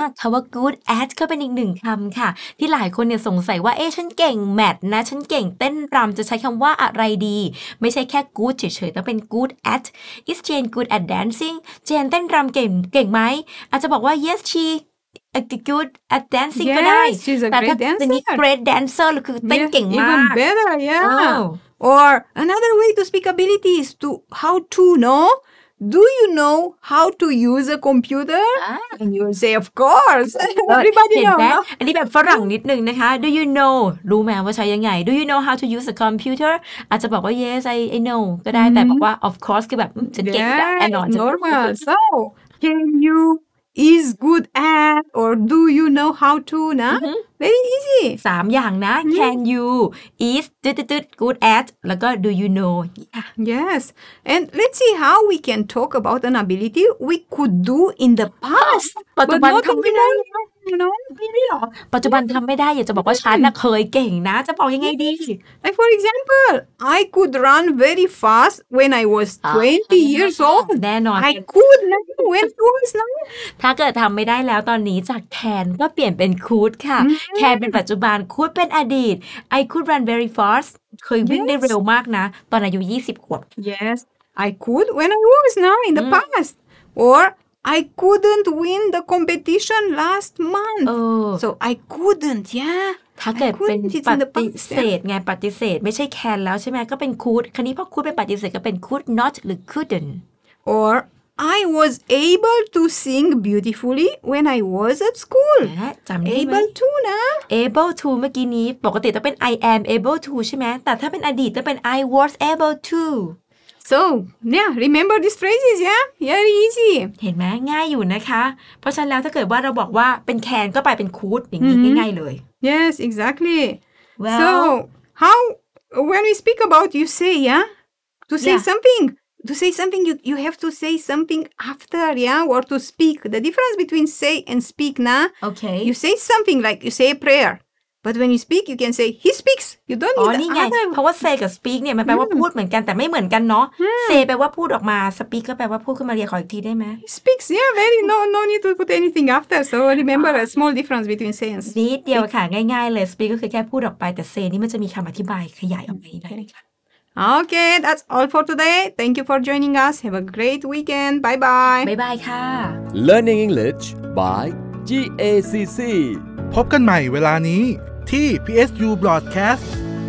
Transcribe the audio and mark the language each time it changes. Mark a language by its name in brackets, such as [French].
[Thai] คำว่า good at ก็เป็นอีกหนึ่งคำค่ะที่หลายคนเนี่ยสงสัยว่าเอ๊ะฉันเก่งแมทนะฉันเก่งเต้นรำจะใช้คำว่าอะไรดีไม่ใช่แค่ good เฉยๆต้องเป็น good at [English] is Jane good at dancing [Thai] Jane เต้นรำเก่งไหมอาจจะบอกว่า [English] yes sheA good at dancing yes, [Thai] ก็ได้ [English] she's a great dancer. [Thai] แต่ถ้า great dancer คือเต้นเก่งมาก [English] even better yeah or another way to speak ability is to how to know do you know how to use a computer and you say of course everybody knows [Thai] อันนี้แบบฝรั่งนิดนึงนะคะ [English] do you know รู้ไหมว่าใช้ยังไง do you know how to use a computer [Thai] อาจจะบอกว่า [English] yes I know [Thai] ก็ได้แต่บอกว่า [English] of course [Thai] คือแบบฉันเก่งแน่นอน [English] normal so can youis good at or do you know how to นะ very easy [Thai] 3 อย่างนะ [English] can you is good at [Thai] แล้วก็ do you know [English] yes and let's see how we can talk about an ability we could do in the past [Thai] ปัจจุบันทำไม่ได้ you know ไม่ได้หรอปัจจุบันทำไม่ได้อยากจะบอกว่าฉันน่ะเคยเก่งนะจะบอกยังไงดี [English] like for example I could run very fast when I was 20 years old [Thai] แน่นอน [English] I could when I was nine [Thai] ถ้าเกิดทำไม่ได้แล้วตอนนี้จากแคนก็เปลี่ยนเป็นคูดค่ะแคนเป็นปัจจุบันคูดเป็นอดีต [English] I could run very fast [Thai] เคยวิ่งได้เร็วมากนะตอนอายุ20ขวบ [English] Yes I could when I was now in the past or I couldn't win the competition last month so I couldn't yeah [Thai] ถ้าเกิดเป็นปฏิเสธไงปฏิเสธไม่ใช่แคนแล้วใช่ไหมก็เป็นคูดคราวนี้พอคูดเป็นปฏิเสธก็เป็น [English] could not [Thai] หรือ couldn't [English] orI was able to sing beautifully when I was at school. Able to นะ [Thai] Able to เมื่อกี้นี้ปกติต้องเป็น [English] I am able to [Thai] ใช่ไหมแต่ถ้าเป็นอดีตต้องเป็น [English] I was able to. So yeah, remember these phrases yeah? Very easy. [Thai] เห็นไหมง่ายอยู่นะคะเพราะฉะนั้นแล้วถ้าเกิดว่าเราบอกว่าเป็น can ก็ไปเป็น could อย่างนี้ง่ายๆเลย [English] Yes, exactly. Well, so how when we speak about you say yeah? To say something. To say something, you have to say something after, yeah, or to speak. The difference between say and speak, na? Okay. You say something like you say a prayer, but when you speak, you can say he speaks. You don't need the other. [Thai] เพราะว่า say กับ speak เนี่ยมันแปลว่าพูดเหมือนกันแต่ไม่เหมือนกันเนาะ say แปลว่าพูดออกมา speak ก็แปลว่าพูดขึ้นมาเรียกขออีกทีได้ไหม [English] he speaks, yeah, very no need to put anything after. So remember a small difference between say and speak. [Thai] นิดเดียวค่ะง่ายๆเลย speak ก็คือแค่พูดออกไปแต่ say นี่มันจะมีคำอธิบายขยายออกไปได้ค่ะ [English] Okay, that's all for today. Thank you for joining us. Have a great weekend. Bye-bye. Bye-bye, ค่ะ Learning English by GACC. [Thai] พบกันใหม่เวลานี้ที่ PSU Broadcast.